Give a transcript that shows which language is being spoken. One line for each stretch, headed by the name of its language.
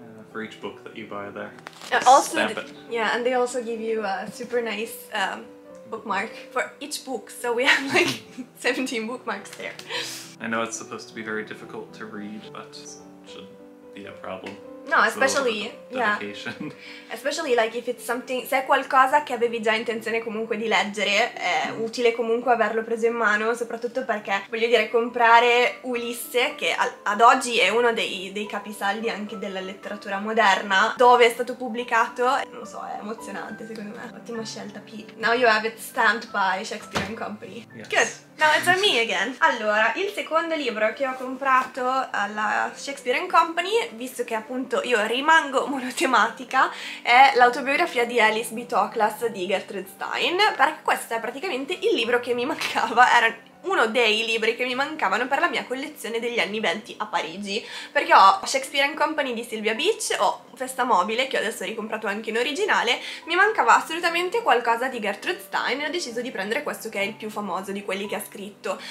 English: For each book that you buy there, also stamp it. Yeah, and they also give you a super nice bookmark for each book, so we have like 17 bookmarks there. I know it's supposed to be very difficult to read, but it should be a problem. No, especially, yeah. Especially like if it's something,
Italian: se è qualcosa che avevi già intenzione comunque di leggere, è utile comunque averlo preso in mano, soprattutto perché, voglio dire, comprare Ulisse, che ad oggi è uno dei capisaldi anche della letteratura moderna, dove è stato pubblicato, non lo so, è emozionante secondo me. Ottima scelta, P.
English: Now you have it stamped by Shakespeare & Company. Yes. Good. No, it's on me again.
Italian: Allora, il secondo libro che ho comprato alla Shakespeare & Company, visto che appunto io rimango monotematica, è l'autobiografia di Alice B. Toklas di Gertrude Stein, perché questo è praticamente il libro che mi mancava, era uno dei libri che mi mancavano per la mia collezione degli anni 20 a Parigi, perché ho Shakespeare & Company di Sylvia Beach, ho Festa mobile, che ho adesso ricomprato anche in originale, mi mancava assolutamente qualcosa di Gertrude Stein e ho deciso di prendere questo, che è il più famoso di quelli che ha scritto.